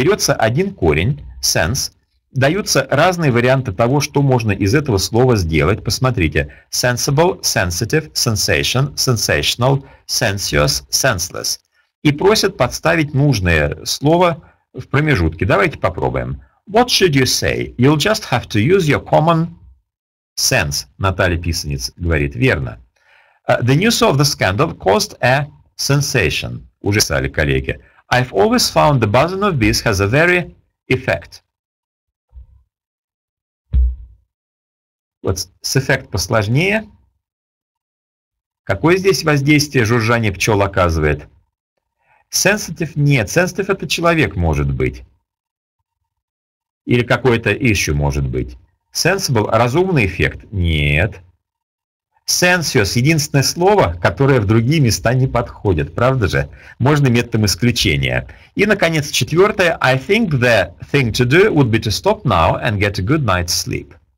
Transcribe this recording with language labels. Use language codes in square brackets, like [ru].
[ru] Берется один корень, sense, даются разные варианты того, что можно из этого слова сделать. Посмотрите. [en] Sensible, sensitive, sensation, sensational, sensuous, senseless. [ru] И просят подставить нужное слово в промежутке. Давайте попробуем. [en] What should you say? You'll just have to use your common sense. [ru] Наталья Писанец говорит. Верно. [en] The news of the scandal caused a sensation. [ru] Уже писали коллеги. [en] I've always found the buzzing of bees has a very effect. [ru] Вот с эффект посложнее. Какое здесь воздействие жужжание пчел оказывает? Sensitive нет. Sensitive это человек может быть. Или какой-то issue может быть. Sensible разумный эффект? Нет. Sensuous единственное слово, которое в другие места не подходит. Правда же? Можно методом исключения. И, наконец, четвертое. [en] I think the thing to do would be to stop now and get a good night's sleep.